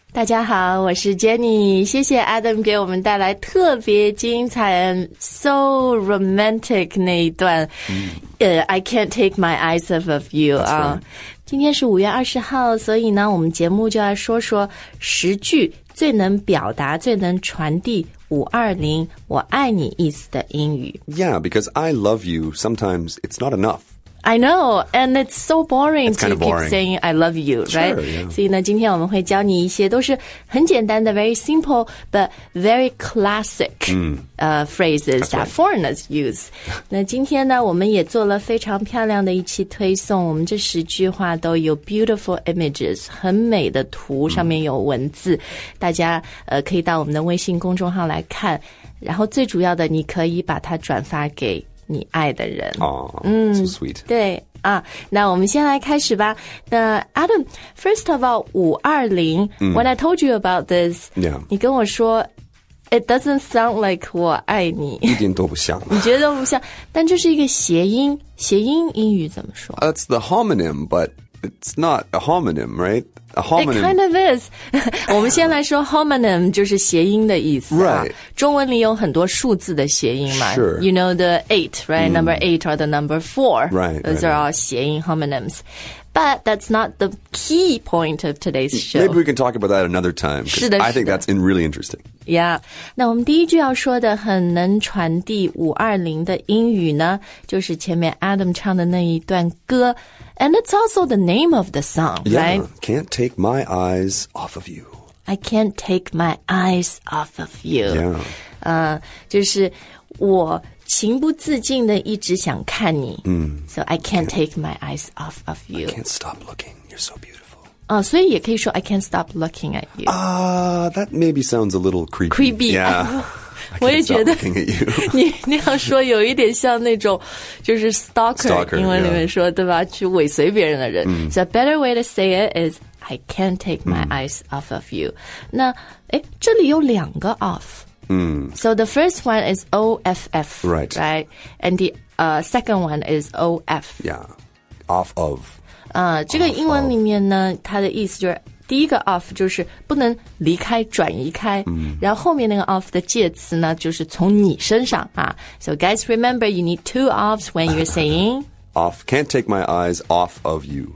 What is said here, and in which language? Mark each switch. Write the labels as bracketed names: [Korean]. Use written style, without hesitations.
[Chinese] 大家好，我是 Jenny. 谢谢 Adam 给我们带来特别精彩 [English] and so romantic [Chinese] 那一段。 [English] I can't take my eyes off of you. [Chinese] 今天是5月20号，所以呢，我们节目就要说说十句最能表达、最能传递520我爱你意思的英语。 [English] Yeah, because I love you, sometimes it's not enough. I know, and it's so boring to keep saying I love you, right? Sure, yeah. [Chinese] 所以呢，今天我们会教你一些都是很简单的 [English] very simple, but very classic phrases that foreigners use. [Chinese] 那今天呢，我们也做了非常漂亮的一期推送，我们这十句话都有 [English] beautiful images, [Chinese] 很美的图，上面有文字，大家可以到我们的微信公众号来看，然后最主要的你可以把它转发给你爱的人。 [English] So sweet. [Chinese] 对啊，那我们先来开始吧。 [English] 那 Adam, first of all, 520,when I told you about this, yeah. [Chinese] 你跟我说 [English] it doesn't sound like [Chinese] 我爱你。一点都不像。你觉得都不像，但这是一个谐音，谐音英语怎么说？ [English] That's the homonym, but it's not a homonym, right? It kind of is. [Chinese] 我们先来说 homonym 就是谐音的意思、啊。 [English] Right. [Chinese] 中文里有很多数字的谐音嘛。 [English] Sure. You know the eight, right?、Mm. Number eight or the number four. Right. Those are all 谐音 homonyms. But that's not the key point of today's show. Maybe we can talk about that another time. [Chinese] 是的，是的。 [English] I think that's really interesting. Yeah. [Chinese] 那我们第一句要说的很能传递520的英语呢，就是前面 Adam 唱的那一段歌。 [English] And it's also the name of the song, yeah, right? Yeah, can't take my eyes off of you. I can't take my eyes off of you. Yeah. [Chinese] 就是我情不自禁的一直想看你。 Mm. [English] So I can't take my eyes off of you. I can't stop looking. You're so beautiful. [Chinese] 所以也可以说 [English] I can't stop looking at you. That maybe sounds a little creepy. Creepy. Yeah. [Chinese] 我也觉得你那样说有一点像那种就是 stalker, [English] stalker [Chinese] 英文里面说、 [English] yeah. [Chinese] 对吧去尾随别人的人、 mm. [English] So a better way to say it is I can't take my eyes off of you [Chinese] 那这里有两个 [English] off、 mm. So the first one is off right. right And the second one is of Yeah, off of、 [Chinese] 这个英文里面呢它的意思就是第一个 off 就是不能离开转移开、 mm. 然后后面那个 off 的介词呢就是从你身上啊 [English] So guys remember you need two offs when you're saying Off, can't take my eyes off of you